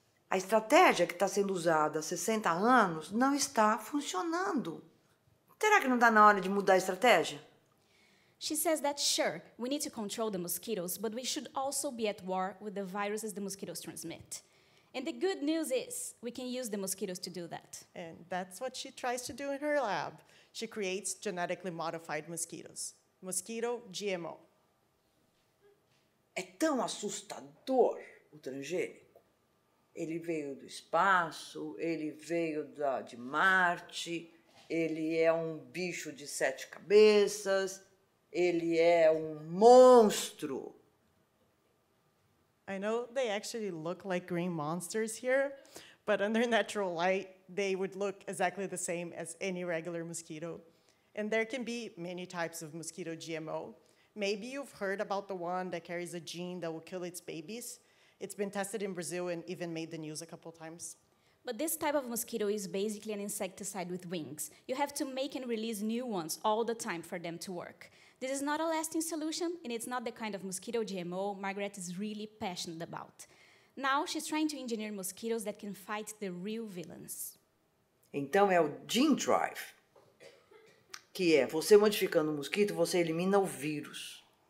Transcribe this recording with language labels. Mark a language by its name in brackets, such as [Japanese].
[Portuguese] A estratégia que está sendo usada há 60 anos não está funcionando. Será que não está na hora de mudar a estratégia? [English] She says that, sure, we need to control the mosquitoes, but we should also be at war with the viruses the mosquitoes transmit. And the good news is, we can use the mosquitoes to do that. And that's what she tries to do in her lab. She creates genetically modified mosquitoes. Mosquito GMO. [Portuguese] É tão assustador o transgênico. Ele veio do espaço, ele veio de Marte, ele é um bicho de sete cabeças, ele é um monstro. [English] I know they actually look like green monsters here, but under natural light, they would look exactly the same as any regular mosquito. And there can be many types of mosquito GMO. Maybe you've heard about the one that carries a gene that will kill its babies. It's been tested in Brazil and even made the news a couple times. But this type of mosquito is basically an insecticide with wings. You have to make and release new ones all the time for them to work. This is not a lasting solution, and it's not the kind of mosquito GMO Margaret is really passionate about. Now she's trying to engineer mosquitoes that can fight the real villains. [Portuguese] Então é o gene drive. Que é, você modificando o mosquito, você elimina o vírus.